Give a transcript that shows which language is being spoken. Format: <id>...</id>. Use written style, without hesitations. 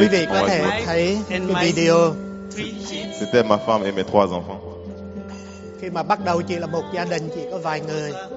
<vi>Quý vị có thể thấy cái video.</vi> <fr>C'était ma femme et mes trois enfants.</fr> <vi>Khi mà bắt đầu chỉ là một gia đình, chỉ có vài người.</vi>